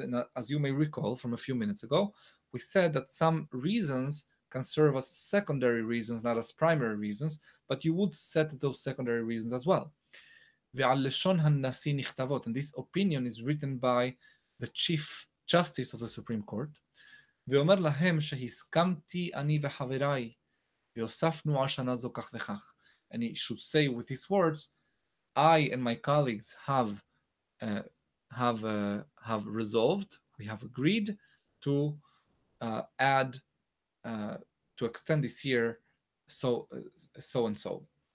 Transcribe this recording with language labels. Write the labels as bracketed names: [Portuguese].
[English] And as you may recall from a few minutes ago, we said that some reasons can serve as secondary reasons, not as primary reasons, but you would set those secondary reasons as well. And this opinion is written by the Chief Justice of the Supreme Court. [Hebrew] ואומר להם שהסכמתי אני וחבריי ויוספנו על שנה זו כך וכך. [English] And he should say with his words, I and my colleagues have resolved, we have agreed to to extend this year so and so.